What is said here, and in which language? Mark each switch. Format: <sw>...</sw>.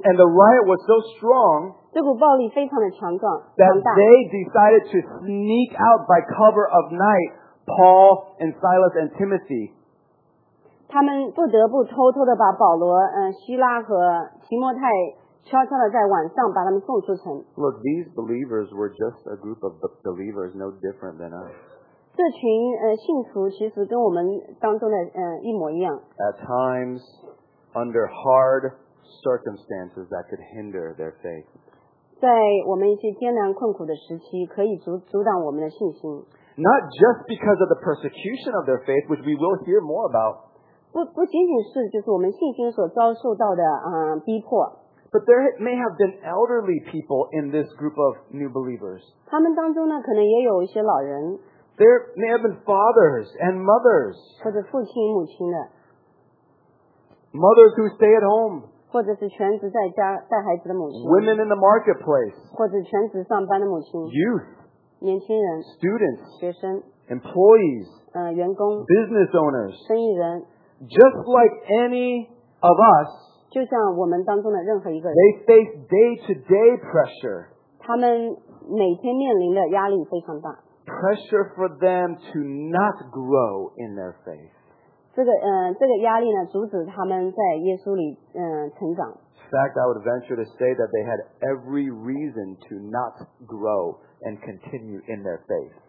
<en>And the riot was so strong.</en> <zh>这股暴力非常的强壮。</zh> <en>That they decided to sneak out by cover of night, Paul and Silas and Timothy.</en> <zh>他们不得不偷偷的把保罗、希拉和提摩太悄悄的在晚上把他们送出城。</zh> <en>Look, these believers were just a group of believers, no different than us.</en> <zh>这群信徒其实跟我们当中的一模一样。</zh> <en>At times, under hard circumstances that could hinder their faith.</en> <zh>在我们一些艰难困苦的时期，可以阻挡我们的信心。</zh> <en>Not just because of the persecution of their faith, which we will hear more about.</en> <zh>不仅仅是就是我们信心所遭受到的逼迫。</zh> <en>But there may have been elderly people in this group of new believers.</en> <zh>他们当中呢，可能也有一些老人。</zh> <en>There may have been fathers and mothers.</en> <zh>或者父亲母亲的。</zh> <en>Mothers who stay at home.</en> <zh>或者是全职在家带孩子的母亲。</zh> <en>Women in the marketplace.</en> <zh>或者全职上班的母亲。</zh> <en>Youth.</en> <zh>年轻人。</zh> <en>Students.</en> <zh>学生。</zh> <en>Employees.</en> <zh>员工。</zh> <en>Business owners.</en> <zh>生意人。</zh> <en>Just like any of us.</en> <zh>就像我们当中的任何一个人。</zh> <en>They face day-to-day pressure.</en> <zh>他们每天面临的压力非常大。</zh> <en>Pressure for them to not grow in their faith.</en> <zh>这个压力呢，阻止他们在耶稣里成长。</zh> <en>In fact, I would venture to say that they had every reason to not grow and continue in their faith.</en>